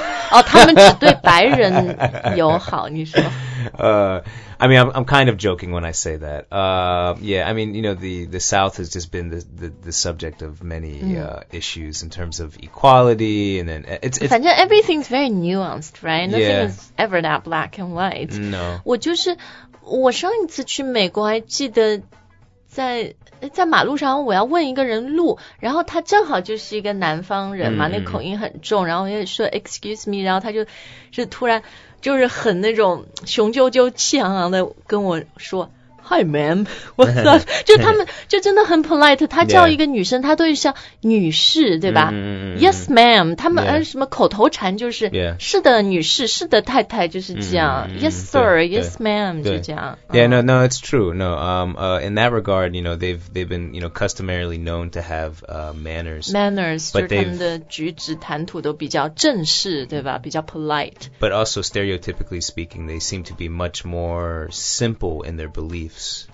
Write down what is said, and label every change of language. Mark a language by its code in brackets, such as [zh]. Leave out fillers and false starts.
[zh] 哦，他们只对白人友好，你说。 [en] I mean, I'm kind of joking when I say that. Yeah, I mean, you know, the South has just been the subject of many、mm. Issues in terms of equality. And then it's 反正 everything's very nuanced, right? Nothing、 is ever that black and white. No. [zh] 我就是我上一次去美国还记得在马路上我要问一个人路然后他正好就是一个南方人嘛、嗯、那口音很重然后我也说 [en] excuse me [zh] 然后他就是突然就是很那种雄赳赳气昂昂的跟我说 [en] Hi ma'am What's up [zh] 就他们就真的很 polite 他叫一个女生、 [en] yeah. [zh] 他都是像女士对吧、嗯、 [en] Yes ma'am 他们、 yeah. [zh] 什么口头禅就是、 [en] yeah. [zh] 是的女士是的太太就是这样、嗯、 [en] Yes sir Yes ma'am [zh] 就这样 [en] Yeah no it's true No in that regard you know they've been you know customarily known to have manners [zh] but 就是他们的举止谈吐都比较正式对吧比较 polite [en] But also stereotypically speaking they seem to be much more simple in their beliefs